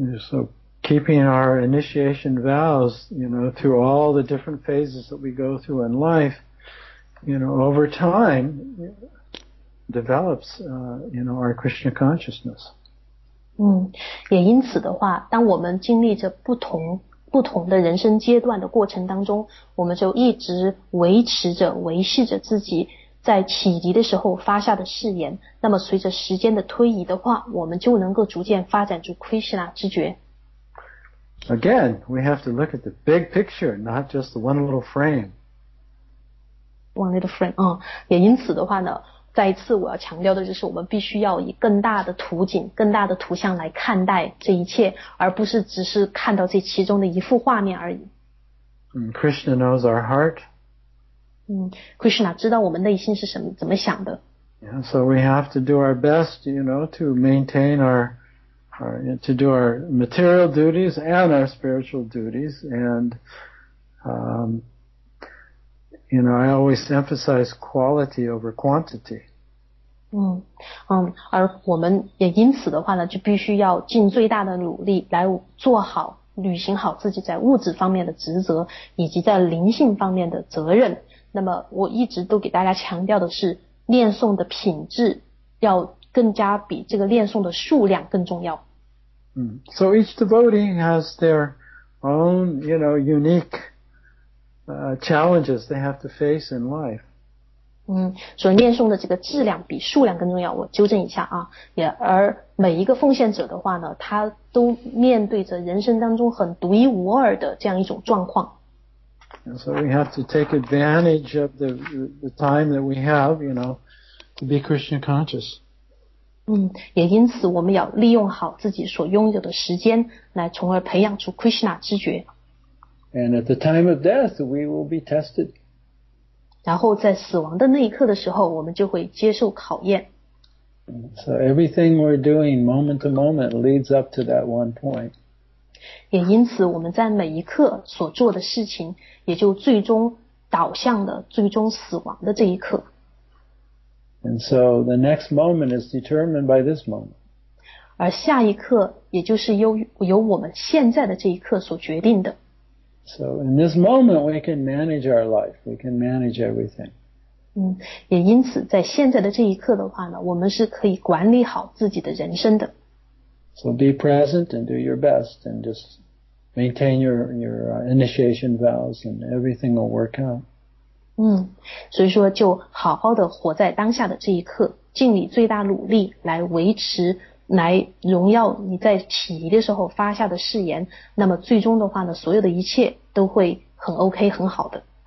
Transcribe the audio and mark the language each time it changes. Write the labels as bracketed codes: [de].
[en] So keeping our initiation vows, you know, through all the different phases that we go through in life, you know, over time, develops, you know, our Krishna consciousness. [zh] 嗯，也因此的话，当我们经历着不同的人生阶段的过程当中，我们就一直维持着、维系着自己在启迪的时候发下的誓言。那么，随着时间的推移的话，我们就能够逐渐发展出 Krishna 知觉。 [en] Again, we have to look at the big picture, not just the one little frame. One little frame. [zh] 嗯，也因此的话呢，再一次我要强调的就是，我们必须要以更大的图景、更大的图像来看待这一切，而不是只是看到这其中的一幅画面而已。 [en] Krishna knows our heart. [zh] Krishna 知道我们内心是什么怎么想的。 [en] Yeah, so we have to do our best, you know, to maintain our to do our material duties and our spiritual duties. And, you know, I always emphasize quality over quantity. [zh] 而我们也因此的话呢，就必须要尽最大的努力来做好。履行好自己在物质方面的职责以及在灵性方面的责任。那么我一直都给大家强调的是，念诵的品质要更加比这个念诵的数量更重要。 [en] So each devotee has their own, you know, unique, challenges they have to face in life. [zh] 所以念诵的这个质量比数量更重要，我纠正一下啊。也而每一个奉献者的话呢，他都面对着人生当中很独一无二的这样一种状况。 [en] And so we have to take advantage of the time that we have, you know, to be Krishna conscious. [zh] 也因此我们要利用好自己所拥有的时间，来从而培养出 Krishna 知觉。 [en] And at the time of death, we will be tested. [zh] 然后在死亡的那一刻的时候，我们就会接受考验。 [en] So everything we're doing moment to moment leads up to that one point. [zh] 也因此我们在每一刻所做的事情也就最终导向了最终死亡的这一刻。 [en] And so the next moment is determined by this moment. [zh] 而下一刻也就是由我们现在的这一刻所决定的。 [en] So in this moment, we can manage our life. We can manage everything. [zh] 也因此在现在的这一刻的话呢，我们是可以管理好自己的人生的。 [en] So be present and do your best and just maintain your initiation vows and everything will work out. [zh] 所以说就好好的活在当下的这一刻，尽你最大努力来维持来荣耀你在起义的时候发下的誓言，那么最终的话呢，所有的一切都会很 OK 很好的。